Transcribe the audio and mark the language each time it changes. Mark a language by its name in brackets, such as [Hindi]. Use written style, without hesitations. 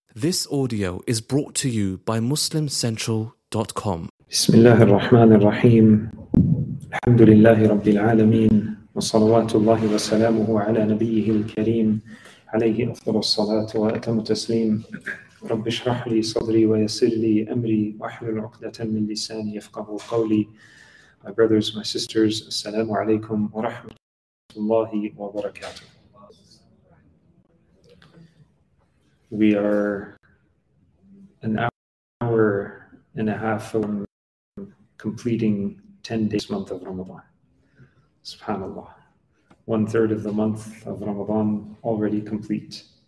[English] This audio is brought to you by MuslimCentral.com. [Arabic] بسم الله الرحمن الرحيم. الحمد لله رب العالمين وصلوات الله وسلامه على نبيه الكريم عليه أفضل الصلاة وأتم التسليم. رب اشرح لي صدري ويسر لي أمري واحلل عقدة من لساني يفقه قولي. [English] My brothers, my sisters, [Arabic] السلام عليكم ورحمة الله وبركاته. [English] We are an hour and a half from completing 10 days month of Ramadan. SubhanAllah. One third of the month of Ramadan already complete.